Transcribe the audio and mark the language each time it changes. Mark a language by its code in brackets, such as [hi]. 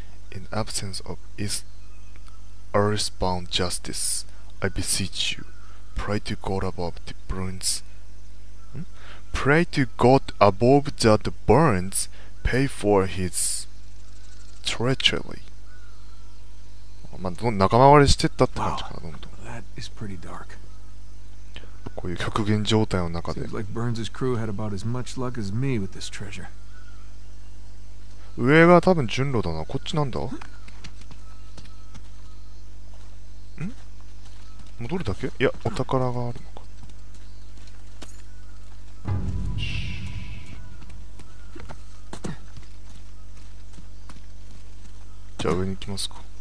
[en] In absence of earthbound justice, I beseech you, pray to God above the burns. Pray to God above that the burns pay for his treachery. [ja] まあ、どんどん仲間割れしてったって感じかな、どんどん。 [en] Wow, that is pretty dark. [ja] こういう極限状態の中で。 [en] Seems like Burns's crew had about as much luck as me with this treasure. [ja] 上が多分順路だな。こっちなんだ？ん？戻るだけ？いや、お宝があるのか。じゃあ上に行きますか。